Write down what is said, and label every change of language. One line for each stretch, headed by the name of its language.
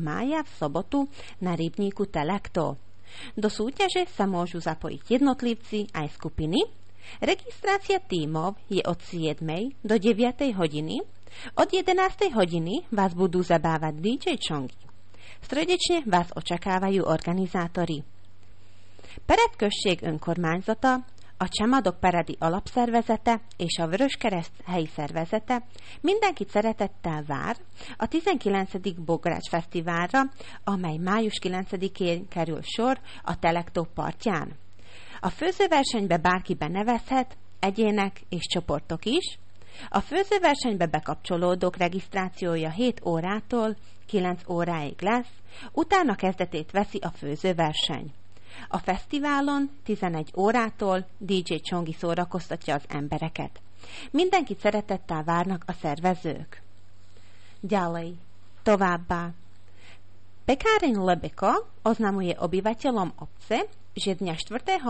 Slovak: mája v sobotu na rybníku Telakto. Do súťaže sa môžu zapojiť jednotlivci aj skupiny. Registrácia tímov je od 7. do 9. hodiny. Od 11. hodiny vás budú zabávať DJ Čongy. Srdečne vás očakávajú organizátori.
Hungarian: Pred Község önkormányzata a Csemadok Paradi alapszervezete és a Vöröskereszt helyi szervezete mindenkit szeretettel vár a 19. Bogrács Fesztiválra, amely május 9-én kerül sor a Telektó partján. A főzőversenybe bárki benevezhet, egyének és csoportok is. A főzőversenybe bekapcsolódók regisztrációja 7 órától 9 óráig lesz, utána kezdetét veszi a főzőverseny. A fesztiválon 11 órától DJ Csongi szórakoztatja az embereket. Mindenkit szeretettel várnak a szervezők.
Slovak: Ďalej, továbbá. Pekáreň Lebeko oznamuje obyvateľom obce, že dňa 4.